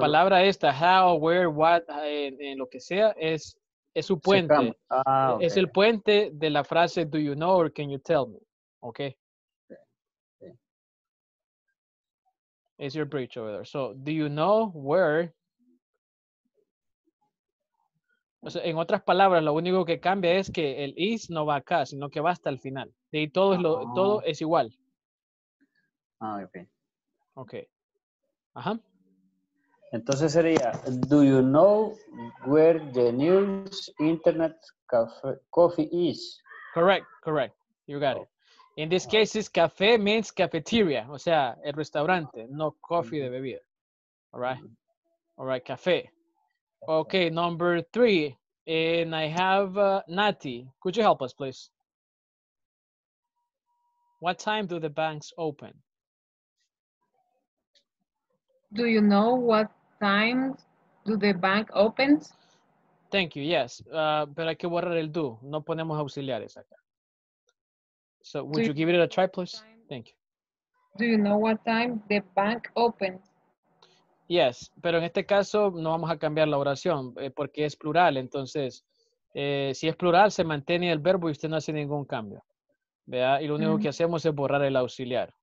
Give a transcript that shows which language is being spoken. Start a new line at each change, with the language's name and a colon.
Spanish: Palabra esta, how, where, what, en lo que sea, es su puente. Ah, okay. Es el puente de la frase,
English: do you know or can you tell me?
Spanish: Okay.
English: It's your bridge over there. So, do you know where?
Spanish: O sea, en otras palabras, lo único que cambia es que el is no va acá, sino que va hasta el final. Y todo es, todo es igual. Ah, ok. Ok. Ajá. Entonces sería,
English: do you know where the news internet cafe, coffee is? Correct, correct. You got it. In this case, café means cafeteria,
Spanish: o sea, el restaurante,
English: no coffee de bebida. All right? All right, café. Okay, number 3. And I have Nati. Could you help us, please? What time do the banks open? Do you know what time do the bank opens? Thank you, yes.
Spanish: Pero hay que borrar el do. No ponemos auxiliares acá.
English: So, would you give it a try, please? Thank you. Do you know what time the bank opens?
Spanish: Yes, pero en este caso no vamos a cambiar la oración porque es plural. Entonces, si es plural, se mantiene el verbo y usted no hace ningún cambio. ¿Vea? Y lo único que hacemos es borrar el auxiliar.